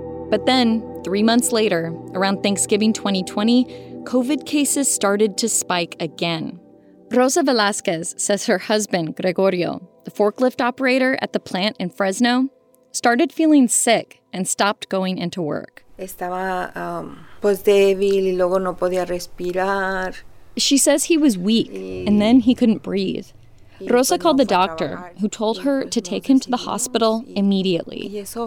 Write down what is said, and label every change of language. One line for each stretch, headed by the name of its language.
English: But then, 3 months later, around Thanksgiving 2020, COVID cases started to spike again. Rosa Velasquez says her husband, Gregorio, the forklift operator at the plant in Fresno, started feeling sick and stopped going into work.
Spanish: Estaba pues débil y luego no podía respirar.
English: She says he was weak, and then he couldn't breathe. Rosa called the doctor, who told her to take him to the hospital immediately.